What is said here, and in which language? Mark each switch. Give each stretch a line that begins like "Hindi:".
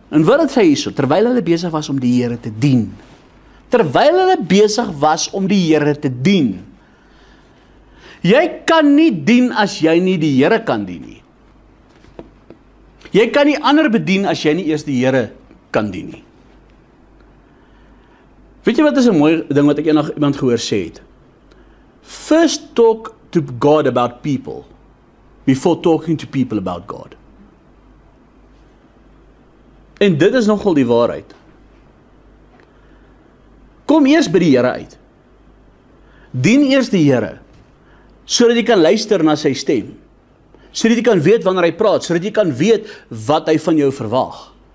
Afrikaans: En wat het sy hierso, terwyl hulle besig was om die Here te dien, terwyl hulle besig was om die Here te dien, jy kan nie dien as jy nie die Here kan dien nie. Jy kan nie ander bedien as jy nie eers die Here kan dien nie. Weet jy wat is 'n mooi ding wat ek eendag iemand gehoor sê het?
English: First talk to God about people before talking to people about God.
Afrikaans: En dit is nogal die waarheid. Kom eers by die Here uit. Dien eers die Here, sodat jy kan luister na sy stem. Sodat jy kan weet wanneer hy praat, sodat jy kan weet wat hy van jou verwag.